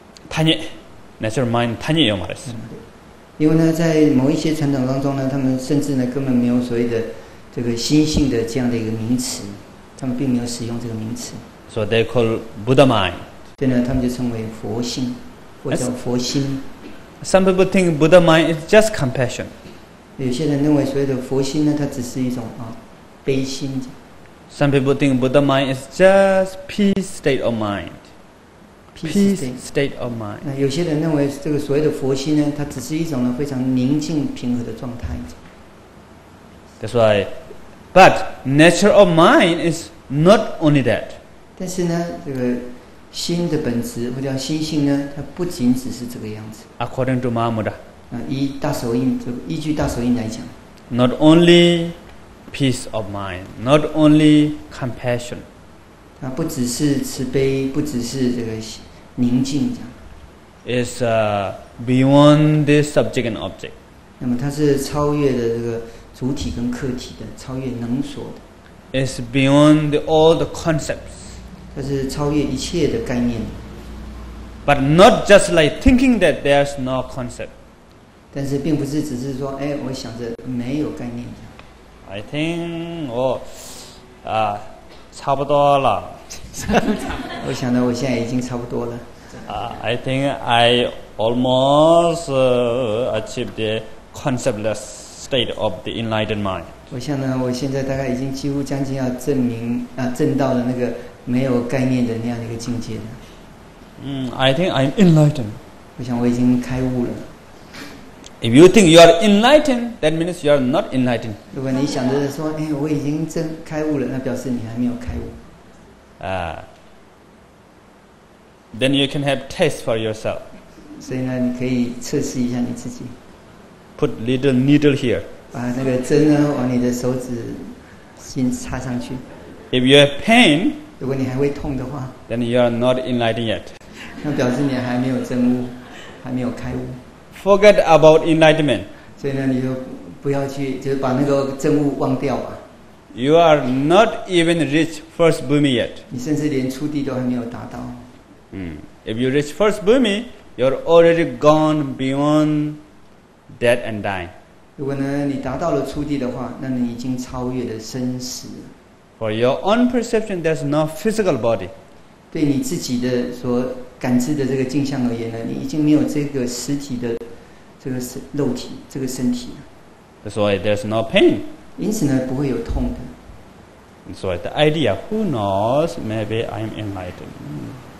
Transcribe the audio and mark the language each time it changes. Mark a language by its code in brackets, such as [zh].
[en] Tanya, nature of mind. Tanya, 有말했어 [zh] 요因为呢，在某一些传统当中呢，他们甚至呢根本没有所谓的这个心性的这样的一个名词，他们并没有使用这个名词。 [en] So they call Buddha mind. [zh] 所以呢，他们就称为佛性，或者叫佛心。 [en] Some people think Buddha mind is just compassion. [zh] 有些人认为所谓的佛心呢，它只是一种啊悲心。 [en] Some people think Buddha mind is just peace state of mind. Peace state of mind. [zh] 那有些人认为这个所谓的佛心呢，它只是一种呢非常宁静平和的状态。 [en] That's why, but nature of mind is not only that. [zh] 但是呢，这个心的本质或者叫心性呢，它不仅只是这个样子。 [en] According to Mahamudra. [zh] 依据大手印来讲 [en] ，not only peace of mind, not only compassion， [zh] 它不只是慈悲，不只是这个宁静，这样。 [en] It's beyond the subject and object。 [zh] 那么它是超越的这个主体跟客体的，超越能所的。 [en] It's beyond the, all the concepts。 [zh] 它是超越一切的概念。 [en] But not just like thinking that there's no concept。 [zh] 但是并不是只是说，哎，我想着没有概念。 [en] I think [zh] 我啊，差不多了。我想到我现在已经差不多了。 [en] I think I almost achieved the conceptless state of the enlightened mind. [zh] 我想呢，我现在大概已经几乎将近要证明啊，证到了那个没有概念的那样的一个境界了。 [en] I think I'm enlightened. [zh] 我想我已经开悟了。 [en] If you think you are enlightened, that means you are not enlightened. [zh] 如果你想着说，哎，我已经真开悟了，那表示你还没有开悟。 [en] Then you can have test for yourself. [zh] 所以呢，你可以测试一下你自己。 [en] Put little needle here. [zh] 把那个针呢，往你的手指心插上去。 [en] If you have pain, [zh] 如果你还会痛的话 [en] ，then you are not enlightened yet. [zh] 那表示你还没有真悟，还没有开悟。 [en] Forget about enlightenment. [zh] 所以呢，你就不要去，就是把那个证悟忘掉吧。 [en] You are not even reached first bhumi yet. [zh] 你甚至连初地都还没有达到。 [en] If you reach first bhumi, you're already gone beyond death and dying. [zh] 如果呢，你达到了初地的话，那你已经超越了生死。 [en] For your own perception, there's no physical body. [zh] 对你自己的说。感知的这个镜像而言呢，你已经没有这个实体的这个肉体这个身体了。 That's why there's no pain. 因此呢，不会有痛的。 [en] So the idea, who knows? Maybe I'm enlightened.